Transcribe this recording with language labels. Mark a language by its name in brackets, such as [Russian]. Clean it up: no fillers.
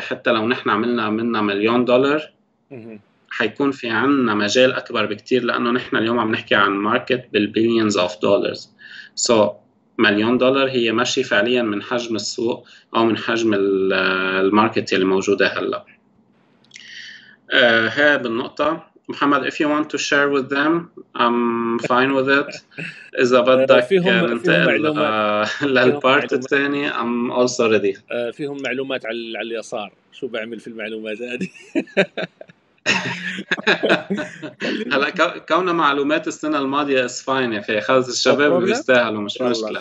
[Arabic] حتى لو نحن عملنا منها مليون دولار حيكون في عندنا مجال اكبر بكثير، لانه نحن اليوم عم نحكي عن ماركت بالبليونز اوف دولارز. سو مليون دولار هي ماشي فعليا من حجم السوق او من حجم الماركت اللي موجوده هلا. هاي بالنقطة. [English] محمد if you want to share with them I'm fine with it. [Arabic] إذا بدك ننتقل للبارت الثاني [English] I'm also ready. [Arabic] فيهم معلومات على اليسار، شو بعمل في المعلومات هذه؟ هلا كونا معلومات السنة الماضية [English] is fine، [Arabic] في خلص الشباب بيستاهلوا مش مشكلة.